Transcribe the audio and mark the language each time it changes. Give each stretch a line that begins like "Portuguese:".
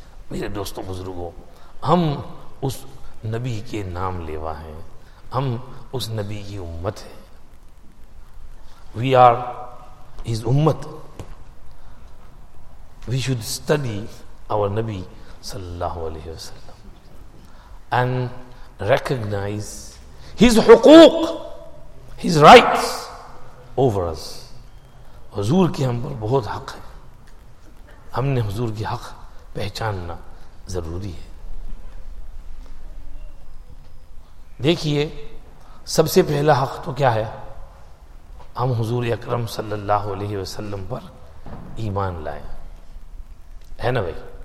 Urdu: Mere dosto buzurgo, hum us نبی کے نام لیوا ہیں, ہم اس نبی کی امت ہیں.
English: We are his امت. We should study our نبی صلی اللہ علیہ وسلم and recognize his حقوق, his rights over us.
Urdu: حضور کے ہم پر بہت حق ہے, ہم نے حضور کی حق پہچاننا ضروری ہے. دیکھیے سب سے پہلا حق تو کیا ہے, ہم حضور اکرم صلی اللہ علیہ وسلم پر ایمان لائیں, ہے نا بھائی.